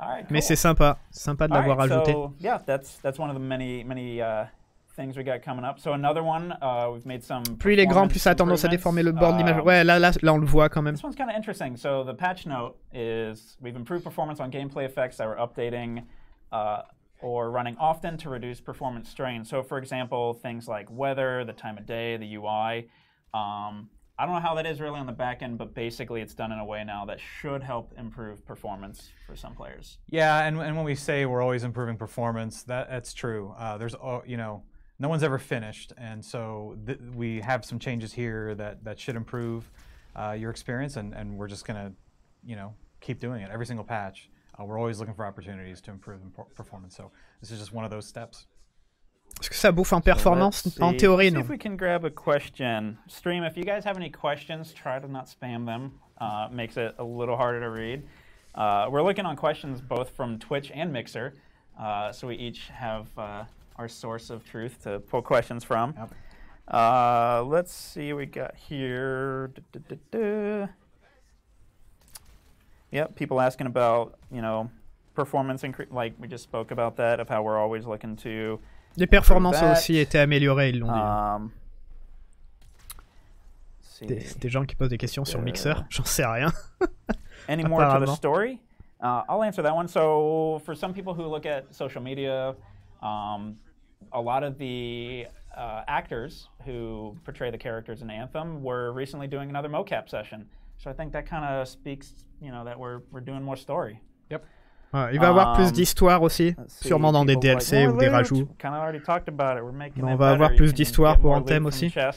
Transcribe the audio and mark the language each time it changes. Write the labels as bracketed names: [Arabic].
[French] Mais c'est sympa. Sympa de l'avoir ajouté. Plus il est grand, plus ça a tendance à déformer le bord d'image. Ouais, là, on le voit quand même. [English] This one's kind of interesting. So the patch note is we've improved performance on gameplay effects that we're updating. Or running often to reduce performance strain. So, for example, things like weather, the time of day, the UI. I don't know how that is really on the back end, but basically it's done in a way now that should help improve performance for some players. Yeah, and when we say we're always improving performance, that's true. There's, you know, no one's ever finished, and so we have some changes here that should improve your experience, and we're just going to, you know, keep doing it every single patch. We're always looking for opportunities to improve performance. So this is just one of those steps. [French] Est-ce que ça bouffe en performance en théorie, non? [English] Let's see if we can grab a question. Stream, if you guys have any questions, try to not spam them. Makes it a little harder to read. We're looking on questions both from Twitch and Mixer. So we each have our source of truth to pull questions from. Yep. Let's see what we got here. Da-da-da-da. Yep, people asking about, you know, performance like we just spoke about that, of how we're always looking to. [French] Les performances ont aussi été améliorées, ils l'ont dit. Des gens qui posent des questions sur Mixer, j'en sais rien. [English] Any more to the story? I'll answer that one. So, for some people who look at social media, a lot of the actors who portray the characters in Anthem were recently doing another mocap session. So I think that kind of speaks, you know, that we're doing more story. Yep. [French] Il va avoir plus d'histoire aussi, sûrement dans des DLC [English] like, [French] ou des rajouts. [English] Kind of already talked about it. We're making [French] on va avoir plus d'histoire pour Anthem aussi.